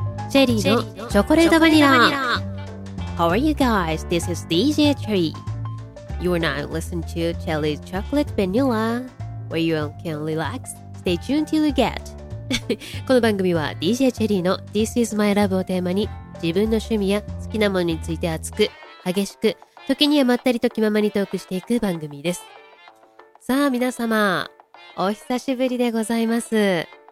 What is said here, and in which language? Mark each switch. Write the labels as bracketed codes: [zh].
[en] チェリーのチョコレートバニラ How are you guys? This is DJ Cherry. You are now listening to Chelly's Chocolate Vanilla, where you can relax, stay tuned till you get. [ja] この番組は DJ チェリーの [en] This is my love [ja] をテーマに、自分の趣味や好きなものについて熱く、激しく、時にはまったりと気ままにトークしていく番組です。さあ皆様、お久しぶりでございます。